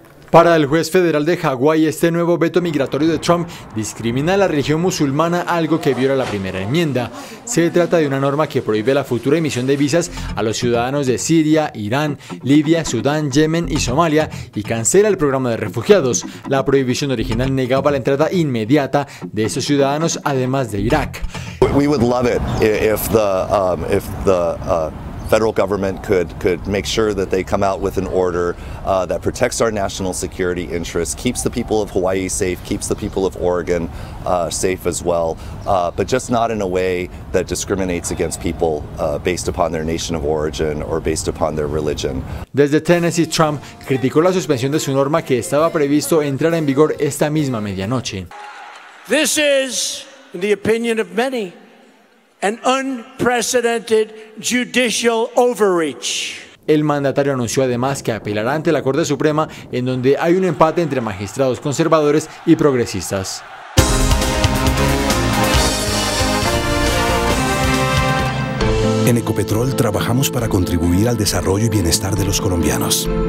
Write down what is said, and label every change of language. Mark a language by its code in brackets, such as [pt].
[es] Para el juez federal de Hawái, este nuevo veto migratorio de Trump discrimina a la religión musulmana, algo que viola la primera enmienda. Se trata de una norma que prohíbe la futura emisión de visas a los ciudadanos de Siria, Irán, Libia, Sudán, Yemen y Somalia y cancela el programa de refugiados. La prohibición original negaba la entrada inmediata de esos ciudadanos, además de Irak. [en] We would love it if the federal government could make sure that they come out with an order that protects our national security interests, keeps the people of Hawaii safe, keeps the people of Oregon safe as well, but just not in a way that discriminates against people based upon their nation of origin or based upon their religion. [es] Desde Tennessee, Trump criticó la suspensión de su norma que estaba previsto entrar en vigor esta misma medianoche. [en] This is, in the opinion of many, an unprecedented judicial overreach. [es] El mandatario anunció además que apelará ante la Corte Suprema, en donde hay un empate entre magistrados conservadores y progresistas. En Ecopetrol trabajamos para contribuir al desarrollo y bienestar de los colombianos.